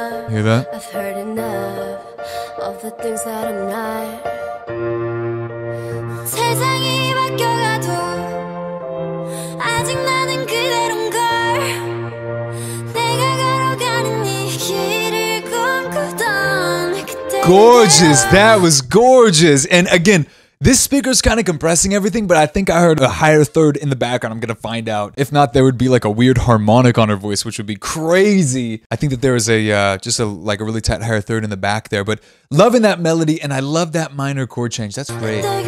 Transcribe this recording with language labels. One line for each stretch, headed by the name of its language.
English: Hear that? I've heard enough of the things that I'm not.
Korean: 세상이 바뀌어가도 아직 나는 그대로인 걸. 내가 걸어가는 이 길을 꿈꾸던 그때.
English: Gorgeous. That was gorgeous. And again, this speaker's kind of compressing everything, but I think I heard a higher third in the background. I'm going to find out. If not, there would be like a weird harmonic on her voice, which would be crazy. I think that there is a really tight higher third in the back there, but loving that melody, and I love that minor chord change. That's great.